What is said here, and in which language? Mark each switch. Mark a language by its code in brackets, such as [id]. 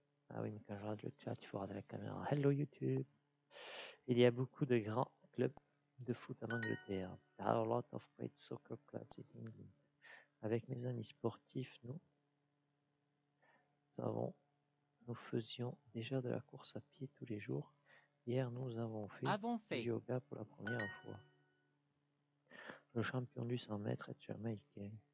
[fr] Ah oui, mais quand j'aurai le chat, il faut regarder la caméra. [en] Hello YouTube. [fr] Il y a beaucoup de grands clubs de foot en Angleterre. [en] There are a lot of great soccer clubs in England. [fr] Avec mes amis sportifs, nous faisions déjà de la course à pied tous les jours. Hier, nous avons fait du yoga pour la première fois. Le champion du 100 mètres est jamaïcain.